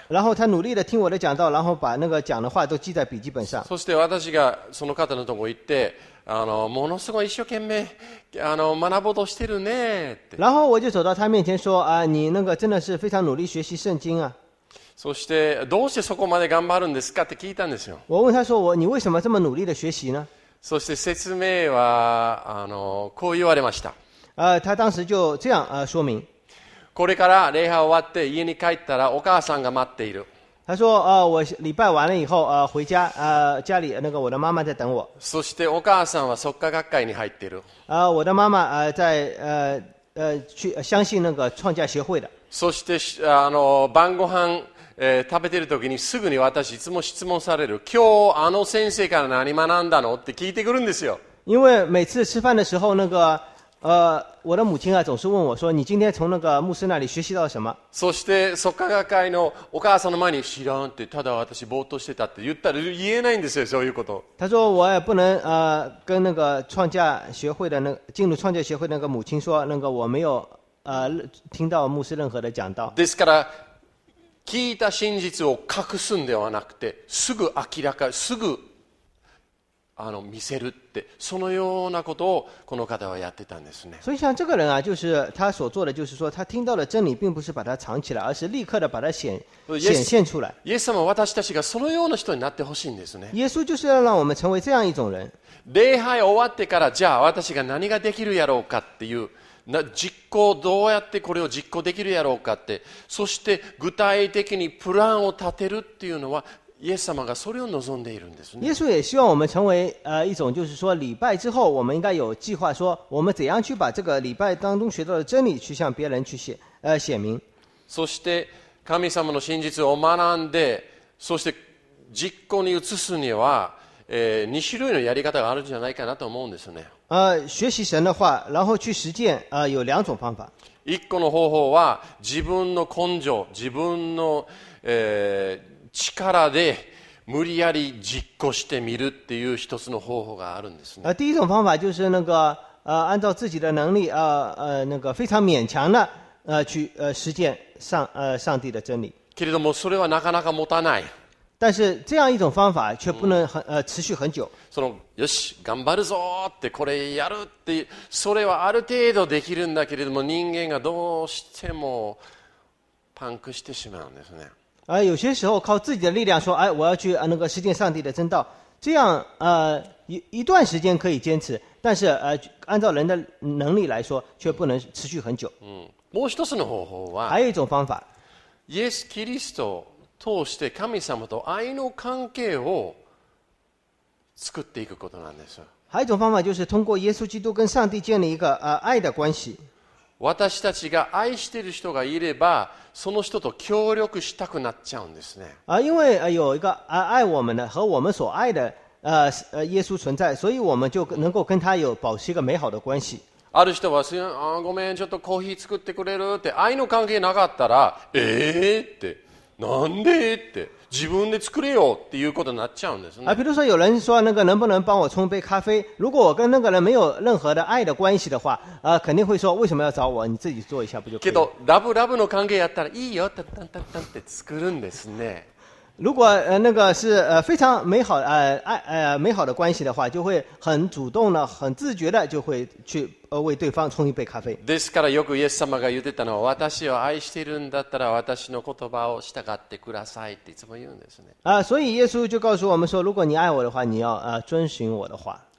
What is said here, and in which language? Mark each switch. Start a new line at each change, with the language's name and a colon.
Chinese: 然后他努力的听我的讲道，然后把那个讲的话都记在笔记本上。
Japanese: そして私がその方のとこ行って、ものすごい一生懸命学ぼうとしてるねって。
Chinese: 然后我就走到他面前说啊，你那个真的是非常努力学习圣经啊。
Japanese: そしてどうしてそこまで頑張るんですかって聞いたんですよ。
Chinese: 我问他说你为什么这么努力的学习呢？
Japanese: そして説明はこう言われました。
Chinese: 他当时就这样说明。
Japanese: これから礼拝終わって家に帰ったらお母さんが待っている。
Chinese: 他说我礼拜完了以后回家家里那个我的妈妈在等我。
Japanese: そしてお母さんは作家学会に入ってる。
Chinese: 我的妈妈在去相信那个创价协会的。
Japanese: そしてあの晩ご飯食べてる時にすぐに私いつも質問される。今日あの先生から何学んだのって聞いてくるんですよ。
Chinese: 因为每次吃饭的时候那个我的母亲啊总是问我说你今天从那个牧师那里学习到什么。
Japanese: そして創価学会のお母さんの前に知らんってただ私ぼーっとしてたって言ったら言えないんですよそういうこと。
Chinese: 他说我也不能跟那个创价协会的那进入创价协会的那个母亲说那个我没有听到牧师任何的讲道。
Japanese: ですから聞いた真実を隠すんではなくてすぐ明らかすぐ見せるってそのようなことをこの方はやってたんですね。
Chinese: 所以像这个人啊，就是他所做的，就是说他听到了真理，并不是把它藏起来，而是立刻的把它显现出来。
Japanese: イエス様は私たちがそのような人になってほしいんですね。
Chinese: 耶稣就是要让我们成为这样一种人。
Japanese: 礼拝終わってからじゃあ私が何ができるやろうかっていう。実行どうやってこれを実行できるやろうかってそして具体的にプランを立てるっていうのはイエス様がそれを望んでいるんですね。
Chinese: イエス也希望我们成为一种就是说礼拜之后我们应该有计划说我们怎样去把这个礼拜当中学到的真理去向别人去 显明。
Japanese: そして神様の真実を学んでそして実行に移すには2種類のやり方があるんじゃないかなと思うんですね。
Chinese: 学习神的话然后去实践有两种方法。
Japanese: 一個の方法は自分の根性自分の力で無理やり実行してみるっていう一つの方法があるんですね。
Chinese: 第一种方法就是那个按照自己的能力那个非常勉强的去实践 上帝的真理。
Japanese: けれどもそれはなかなか持たない。
Chinese: 但是这样一种方法却不能持续很久。
Japanese: そのよし頑張るぞってこれやるってそれはある程度できるんだけれども人間がどうしてもパンクしてしまうんですね。
Chinese: 有些时候靠自己的力量说哎我要去那个实践上帝的真道这样一段时间可以坚持但是按照人的能力来说却不能持续很久。
Japanese: もう一つの方法は
Chinese: 还有一种方法
Japanese: イエス・キリスト通して神様と愛の関係を作っていくことなんです。
Chinese: 还有一种方法就是通过耶稣基督跟上帝建立一个爱的关系。
Japanese: 私たちが愛している人がいれば、その人と協力したくなっちゃうんですね。
Chinese: 因为有一个爱我们的和我们所爱的耶稣存在，所以我们就能够跟他有保持一个美好的关系。
Japanese: ある人はあごめんちょっとコーヒー作ってくれるって愛の関係なかったらって。なんでって自分で作れよっていうことになっちゃうんですね。
Chinese: 比如说有人说那个能不能帮我冲杯咖啡？如果我跟那个人没有任何的爱的关系的话，肯定会说为什么要找我？你自己做一下不就可以？
Japanese: けどラブラブの関係やったらいいよ。タンタンタンタンって作るんですね。
Chinese: 如果那个是非常美好美好的关系的话，就会很主动的、很自觉的就会去为对方冲一杯咖啡。
Japanese: ですからよくイエス様が言ってたのは、私を愛しているんだったら私の言葉を従ってくださいっていつも言うんですね。
Chinese: 所以耶稣就告诉我们说，如果你爱我的话，你要遵循我的话。